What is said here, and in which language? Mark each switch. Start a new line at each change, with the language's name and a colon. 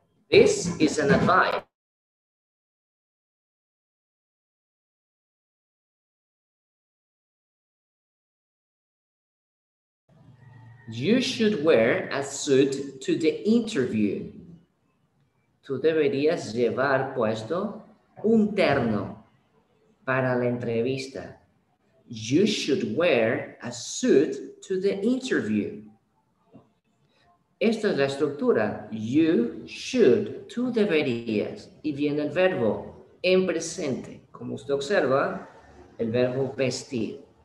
English: This is an advice. You should wear a suit to the interview.
Spanish: Tú deberías llevar puesto un terno para la entrevista.
English: You should wear a suit to the interview.
Spanish: Esta es la estructura.
English: You should,
Spanish: tú deberías. Y viene el verbo en presente. Como usted observa, el verbo vestir.